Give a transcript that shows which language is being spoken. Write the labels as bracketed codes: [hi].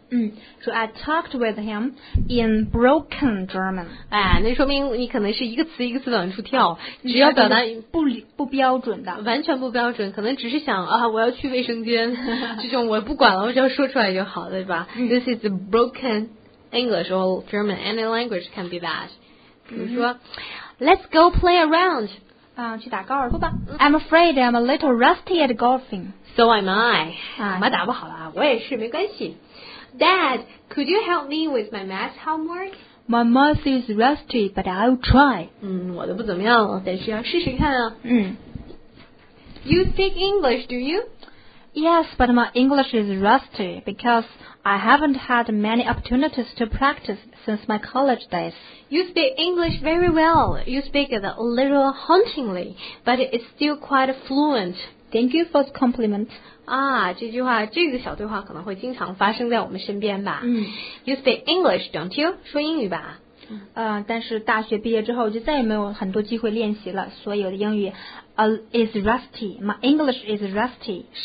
[zh] 嗯，说 [en] I talked with him in broken German。 [zh] 那说明你可能是一个词一个词往出跳，只要表达不标准的，完全不标准，可能只是想我要去卫生间，这种我不管了，我只要说出来就好，对吧？ [en] This is broken English or German. Any language can be that。 [zh] 比如说。 [en] Let's go play around. [zh] 去打高尔夫吧。 [en] I'm afraid I'm a little rusty at golfing. So am I. [zh] 我打不好了，我也是，没关系。 [en] Dad, could you help me with my math homework? My math is rusty, but I'll try. [zh] 我都不怎么样了，但是要试试看啊。嗯。 [en] You speak English, do you? Yes, but my English is rusty because I haven't had many opportunities to practice. Since my college days. You speak English very well. You speak it a little hauntingly, but it's still quite fluent. Thank you for the compliment. [zh] 这句话，这个小对话可能会经常发生在我们身边吧。嗯。 [en] You speak English, don't you? [zh] 说英语吧。但是大学毕业之后就再也没有很多机会练习了，所以我的英语 [en] is rusty. My English is rusty.